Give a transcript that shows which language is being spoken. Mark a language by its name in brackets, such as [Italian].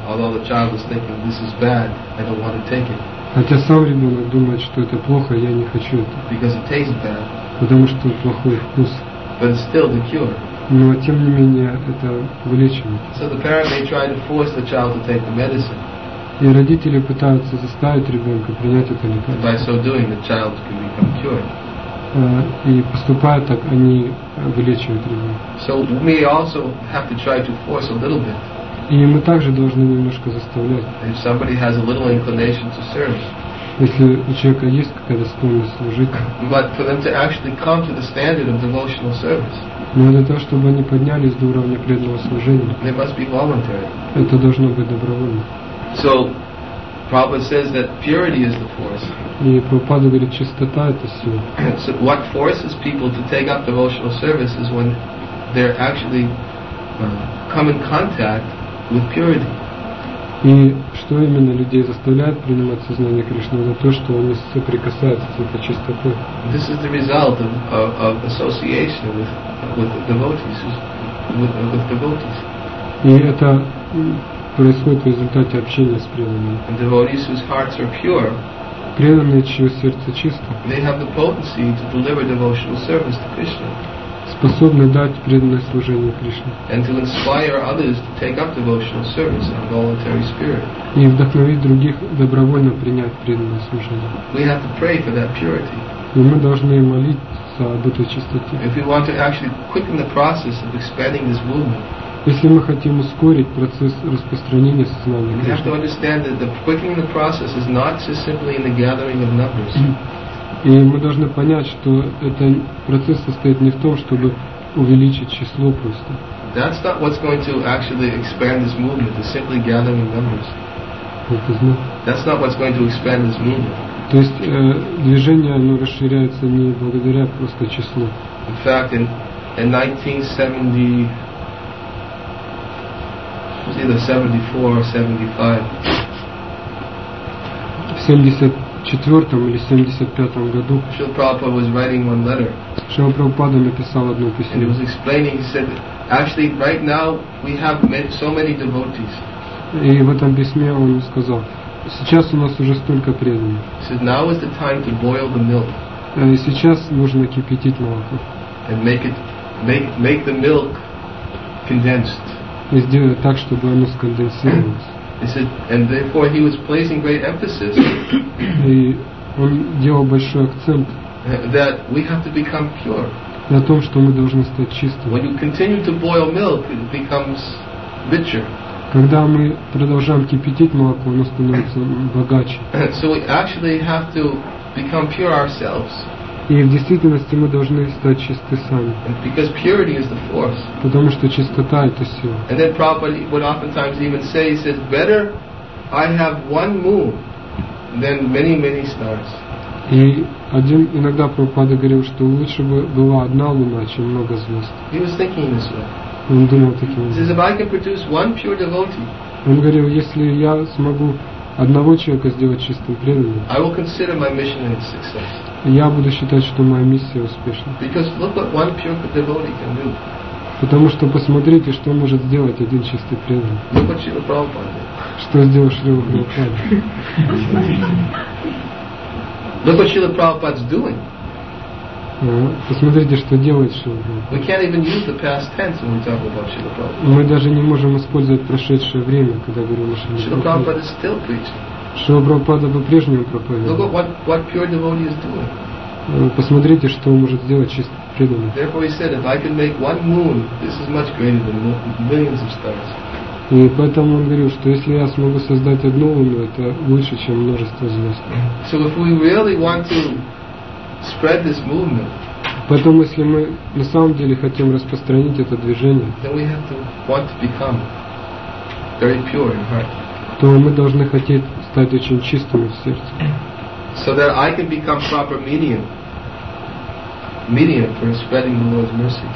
[English] Although the child is thinking this is bad, I don't want to take it. [Russian] Хотя сам ребенок думает, что это плохо, я не хочу это. [English] Because it tastes bad. [Russian] Потому что плохой вкус. [English] But it's still the cure. [Russian] Но тем не менее это вылечивает. [English] So the parent may try to force the child to take the medicine. [Russian] И родители пытаются заставить ребенка принять это лекарство. [English] By so doing, the child can become cured. [Russian] И поступая так, они вылечивают ребенка. [English] So we also have to try to force a little bit. [Russian] И мы также должны немножко заставлять. [English] If somebody has a little inclination to serve. [Russian] Если у человека есть какая-то склонность служить. [English] But for them to actually come to the standard of devotional service. [Russian] Но для того, чтобы они поднялись до уровня преданного служения. [English] They must be voluntary. [Russian] Это должно быть добровольно. [English] So Prabhupada says that purity is the force. [Russian] И Прабхупада говорит, чистота это сила. [English] So what forces people to take up devotional service is when they're actually come in contact with purity. [Russian] И что именно людей заставляет принимать сознание Кришны, это то, что они соприкасаются с этой чистотой. [English] This is the result of association with devotees. [Russian] И это происходит в результате общения с преданными. [English] And devotees whose hearts are pure. [Russian] Преданные, чьё сердце чисто. [English] They have the potency to deliver devotional service to Krishna. [Russian] Способны дать преданное служение Кришне. [English] And to inspire others to take up devotional service in a voluntary spirit. [Russian] И вдохновить других добровольно принять преданное служение. [English] We have to pray for that purity. [Russian] И мы должны молиться об этой чистоте. [English] If we want to actually quicken the process of expanding this movement. [Russian] Если мы хотим ускорить процесс распространения сознания Кришны. [English] We have to understand that the quickening the process is not just simply in the gathering of numbers. [Russian] И мы должны понять, что этот процесс состоит не в том, чтобы увеличить число просто. [English] That's not what's going to actually expand this movement, is simply gathering numbers. That's not what's going to expand this movement. [Russian] То есть движение оно расширяется не благодаря просто числу. [English] In fact, in 1970, was either 74 or 75. [Russian] В 74 или 75 году. [English] Шрила Прабхупада was writing one letter. [Russian] Шрила Прабхупада написал одно письмо. [English] And he was explaining. He said, actually, right now we have met so many devotees. [Russian] И в этом письме он сказал, сейчас у нас уже столько преданных. [English] He said, now is the time to boil the milk. [Russian] И сейчас нужно кипятить молоко. [English] And make the milk condensed. [Russian] И сделать так, чтобы оно сконденсировалось. [English] And therefore he was placing great emphasis. [Russian] И он делал большой акцент. [English] That we have to become pure. [Russian] На том, что мы должны стать чистыми. [English] When you continue to boil milk, it becomes richer. [Russian] Когда мы продолжаем кипятить молоко, оно становится богаче. [English] So we actually have to become pure ourselves. [Russian] И в действительности мы должны стать чисты сами. [English] Because purity is the force. [Russian] Потому что чистота – это сила. [English] And then Prabhupada would oftentimes even say, he says, better I have one moon than many, many stars. [Russian] И один иногда Прабхупада говорил, что лучше бы была одна луна, чем много звезд. [English] He was thinking this way. [Russian] Он думал таким образом. [English] He says, if I can produce one pure devotee. [Russian] Он говорил, если я смогу одного человека сделать чистым преданным. [English] I will consider my mission a success. [Russian] Я буду считать, что моя миссия успешна. [English] Because look what one pure devotee can do. [Russian] Потому что посмотрите, что может сделать один чистый преданный. [English] Look what Shrila Prabhupada did. [Russian] Что сделал Шрила Прабхупада? [English] Look what Shrila Prabhupada is doing. [Russian] Посмотрите, что делает Шрила Прабхупада. Мы даже не можем использовать прошедшее время, когда говорим о Шриле Прабхупаде. Шрила Прабхупада по-прежнему проповедует. [English] Look what, what pure devotee is doing. [Russian] Посмотрите, что может сделать чистый преданный. [English] Therefore he said, if I can make one moon, this is much greater than millions of stars. [Russian] И поэтому он говорил, что если я смогу создать одну луну, это лучше, чем множество звезд. [English] So if we really want to spread this movement, [Russian] поэтому если мы на самом деле хотим распространить это движение, [English] then we have to want to become very pure in heart. [Russian] То мы должны хотеть стать очень чистыми в сердце. [English] So that I can become proper medium. Medium for spreading the Lord's mercy.